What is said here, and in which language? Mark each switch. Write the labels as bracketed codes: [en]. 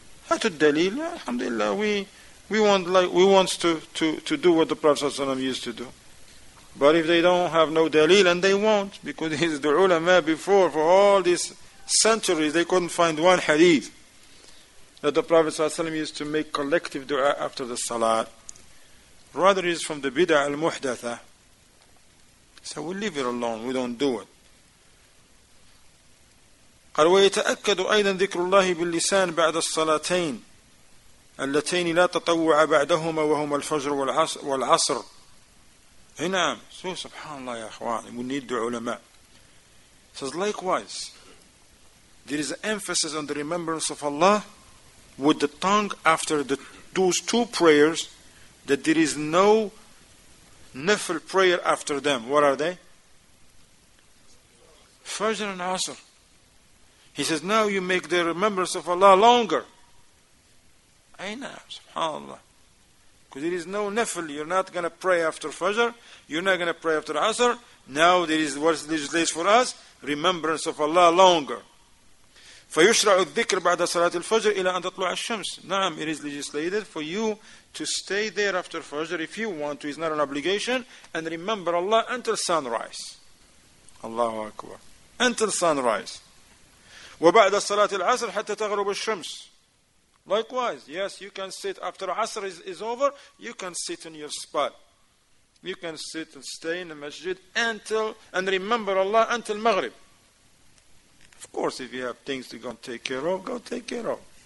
[ar] هاتوا الدليل الحمد لله [en] we want to do what the Prophet صلى الله عليه وسلم used to do, but if they don't have no دليل and they won't, because he's the ulama before for all these centuries, they couldn't find one hadith that the Prophet صلى الله عليه وسلم used to make collective dua after the salat. Rather is from the bid'ah al-muhdatha, so we leave it alone, we don't do it. [ar] قال ويتأكد أيضا ذكر الله باللسان بعد الصلاتين اللتين لا تطوع بعدهما وهما الفجر والعصر. نعم سبحان الله يا أخواني. [en] We need the علماء. Says likewise, there is an emphasis on the remembrance of Allah with the tongue after those two prayers, that there is no nafil prayer after them. What are they? Fajr and Asr. He says, now you make the remembrance of Allah longer. Aina, subhanAllah. Because there is no nafil. You're not going to pray after Fajr. You're not going to pray after Asr. Now there is what is legislated for us, remembrance of Allah longer. [ar] فَيُشْرَعُ الذِّكْرِ بَعْدَ صَلَاتِ الْفَجْرِ إِلَىٰ أَنْ تَطْلُعَ الشَّمْسِ. [en] Naam, it is legislated for you to stay there after Fajr if you want to. It's not an obligation. And remember Allah until sunrise. Allahu Akbar. Until sunrise. [ar] وبعد صلاة العصر حتى تغرب الشمس. [en] Likewise, yes, you can sit after Asr is over, you can sit in your spot. You can sit and stay in the masjid until, and remember Allah until Maghrib. Of course, if you have things to go and take care of, go take care of.